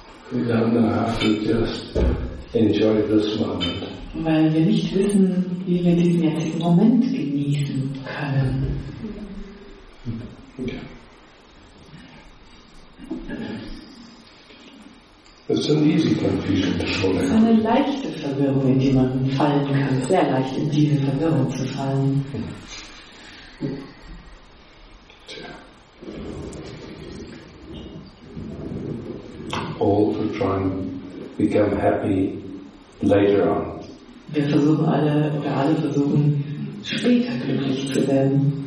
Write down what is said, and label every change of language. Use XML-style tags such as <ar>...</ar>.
<en>We don't know how to just enjoy this moment.</en> <de>Weil wir nicht wissen, wie wir diesen jetzigen Moment genießen können.</de> <en>Okay. It's an easy confusion to fall in.</en> <de>Eine leichte Verwirrung, in die man fallen kann. Sehr leicht, in diese Verwirrung zu fallen.</de> <en>All to try and become happy later on.</en> <de>Wir versuchen alle, oder alle versuchen, später glücklich zu werden.</de>